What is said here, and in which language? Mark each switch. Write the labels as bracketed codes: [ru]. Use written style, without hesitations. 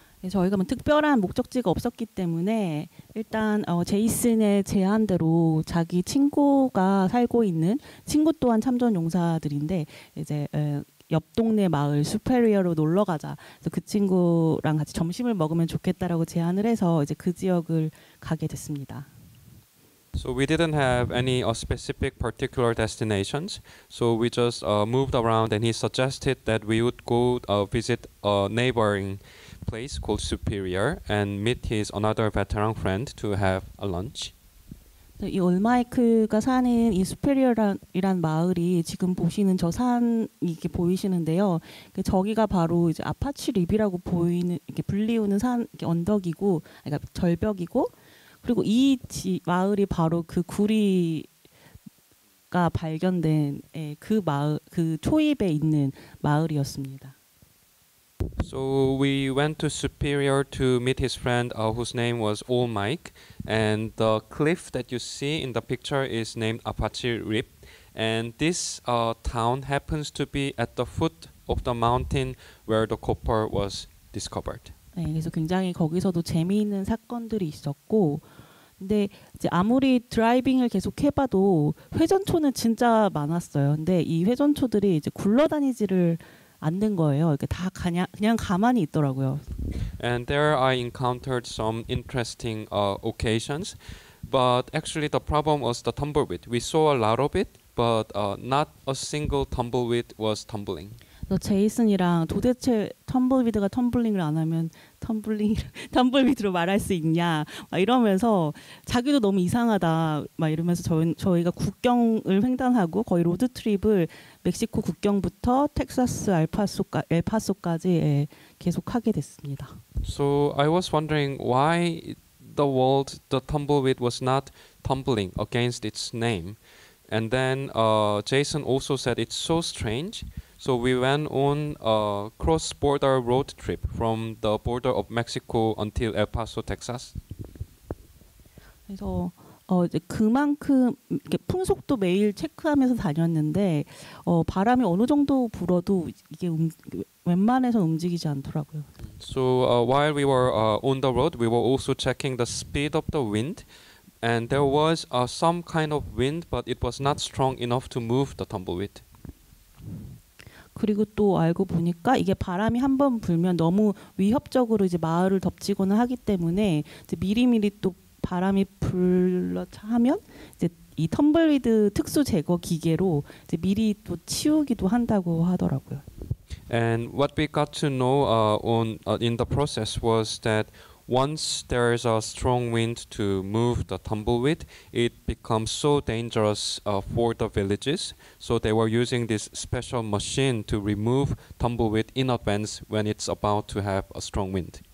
[ko] 저희가 뭐 특별한 목적지가 없었기 때문에 일단 제이슨의 제안대로 자기 친구가 살고 있는 친구 또한 참전용사들인데 이제 옆 동네 마을 슈페리어로 놀러 가자. 그래서 그 친구랑 같이 점심을 먹으면 좋겠다라고 제안을 해서 이제 그 지역을 가게 됐습니다. [en] So we didn't have any specific particular destinations. So we just moved around and he suggested that we would go visit a neighboring place called Superior and meet his another veteran friend to have a lunch. [ko] 이 올마이크가 사는 이 Superior이란 마을이 지금 보시는 저 산이 이렇게 보이시는데요. 저기가 바로 이제 아파치 립이라고 보이는 이렇게 불리우는 산 이렇게 언덕이고 그러니까 절벽이고 그리고 이 마을이 바로 그 구리가 발견된 그 마을 그 초입에 있는 마을이었습니다. [en] So we went to Superior to meet his friend whose name was Old Mike, and the cliff that you see in the picture is named Apache Rip, and this town happens to be at the foot of the mountain where the copper was discovered. [ko] 네, 그래서 굉장히 거기서도 재미있는 사건들이 있었고 근데 이제 아무리 드라이빙을 계속 해봐도 회전초는 진짜 많았어요. 근데 이 회전초들이 이제 굴러다니지를 않는 거예요. 이렇게 다 그냥 가만히 있더라고요. [en] And there I encountered some interesting occasions, but actually the problem was the tumbleweed. We saw a lot of it, but not a single tumbleweed was tumbling. [ko] 제이슨이랑 도대체 텀블위드가 텀블링을 안 하면 텀블위드로 말할 수 있냐 막 이러면서 자기도 너무 이상하다 막 이러면서 저희가 국경을 횡단하고 거의 로드트립을 멕시코 국경부터 텍사스 엘파소까지 계속하게 됐습니다. [en] So I was wondering why the world, the tumbleweed was not tumbling against its name. And then Jason also said it's so strange. So we went on a cross-border road trip from the border of Mexico until El Paso, Texas. [ko] 그래서 이제 그만큼 이렇게 풍속도 매일 체크하면서 다녔는데 바람이 어느 정도 불어도 이게 웬만해서 움직이지 않더라고요. [en] So while we were on the road, we were also checking the speed of the wind, and there was some kind of wind, but it was not strong enough to move the tumbleweed. [ko] 그리고 또 알고 보니까 이게 바람이 한번 불면 너무 위협적으로 이제 마을을 덮치거나 하기 때문에 이제 미리미리 또 바람이 불렀다 하면 이제 이 텀블위드 특수 제거 기계로 이제 미리 또 치우기도 한다고 하더라고요. [en] And what we got to know in the process was that once there is a strong wind to move the tumbleweed, it becomes so dangerous for the villages. So they were using this special machine to remove tumbleweed in advance when it's about to have a strong wind.